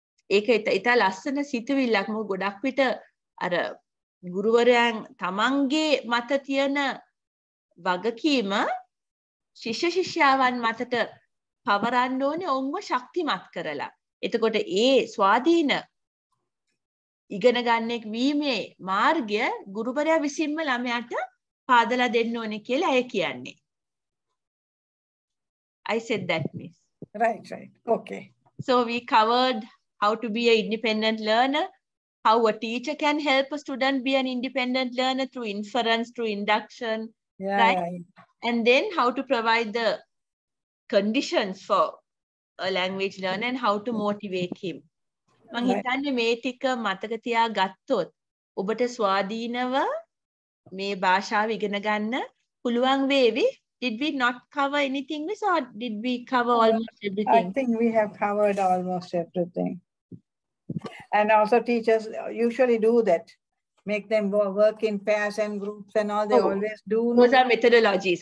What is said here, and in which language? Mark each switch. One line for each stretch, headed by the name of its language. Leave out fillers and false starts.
Sinhala: ඒක ඉතා ලස්සන සිතුවිල්ලක්. මම ගොඩක් විට අර ගුරුවරයන් තමන්ගේ මත තියෙන වගකීම ශිෂ්‍ය ශිෂ්‍යාවන් මතට පවරන්න ඕනේ ඔවුන්ව ශක්තිමත් කරලා. එතකොට ඒ ස්වාධීන ඉගෙන ගන්න එක් වීමේ මාර්ගය ගුරුවරයා විසින්ම ළමයාට පාදලා දෙන්න ඕනේ කියලා ඇය කියන්නේ.
English: I said that, miss. Right. Okay. So we covered how to be an independent learner, how a teacher can help a student be an independent learner through inference, through induction. Yeah, right? And then how to provide the conditions for a language learner and how to motivate him.
Sinhala: මං හිතන්නේ මේ ටික මතක තියා ගත්තොත් ඔබට ස්වාධීනව මේ භාෂාව ඉගෙන ගන්න පුළුවන් වේවි.
English: Did we not cover anything, miss, or did we cover almost everything? I think we have covered almost everything. And also teachers usually do that. Make them work in pairs and groups and all. They always do. Those are methodologies.